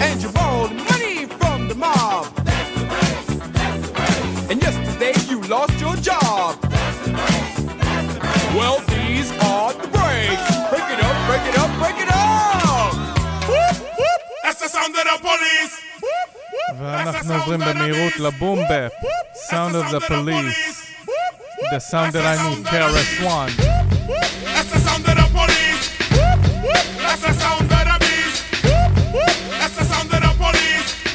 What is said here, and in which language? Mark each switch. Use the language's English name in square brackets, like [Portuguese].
[English] And you borrowed money from the mob, that's the brakes. And yesterday lost your job. That's the brakes. Well, these are the brakes. Break it up, break it up, break it up. That's the sound of the police. [Hebrew] ואנחנו עוברים במהירות לבומבה. [English] Sound of the police. The sound that I need, KRS-One. That's the sound of the police. That's the sound that I miss. That's the sound of the police.